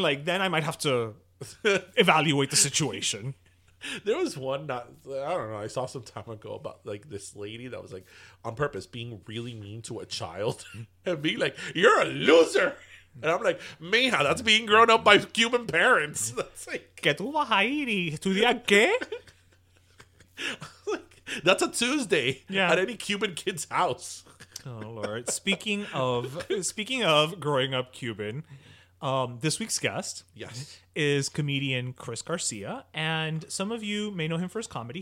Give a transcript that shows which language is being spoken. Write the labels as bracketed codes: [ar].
[en] Like then I might have to evaluate the situation. There was one I saw some time ago about like this lady that was like on purpose being really mean to a child and being like, you're a loser. And I'm like, mija, that's being grown up by Cuban parents. That's like [es] que tú vas a ir y estudiar qué? [en] Like, that's a Tuesday at any Cuban kid's house. Oh, Lord. Speaking of growing up Cuban, This week's guest, yes, is comedian Chris Garcia, and some of you may know him for his comedy.